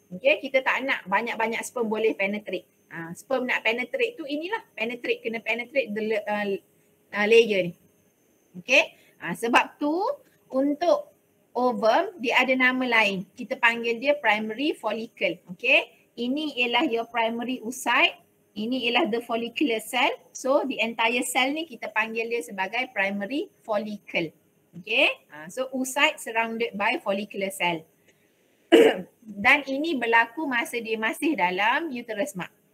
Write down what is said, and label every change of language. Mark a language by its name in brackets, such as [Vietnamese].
[Malay] Okay, kita tak nak banyak-banyak sperm boleh penetrate. Sperm nak penetrate tu inilah, penetrate, kena [English] penetrate the layer [Malay] ni. Okay, sebab tu untuk ovum dia ada nama lain. Kita panggil dia primary follicle. Okay, ini ialah [English] your primary oocyte. [Malay] Ini ialah [English] the follicular cell. So the entire cell [Malay] ni kita panggil dia sebagai primary follicle. [English] Okay, so oocyte surrounded by follicular cell. [Malay] Dan ini berlaku masa dia masih dalam uterus mak.